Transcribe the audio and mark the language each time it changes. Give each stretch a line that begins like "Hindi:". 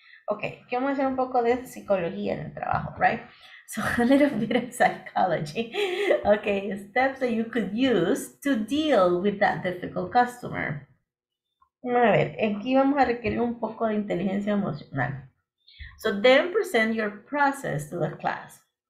Spanish: Okay, vamos a hacer un poco de psicología en el trabajo, right?
English: So a little bit of psychology. Okay, steps that you could use to deal with that difficult customer.
Spanish: A ver, aquí vamos a requerir un poco de inteligencia emocional.
English: So then present your process to the class.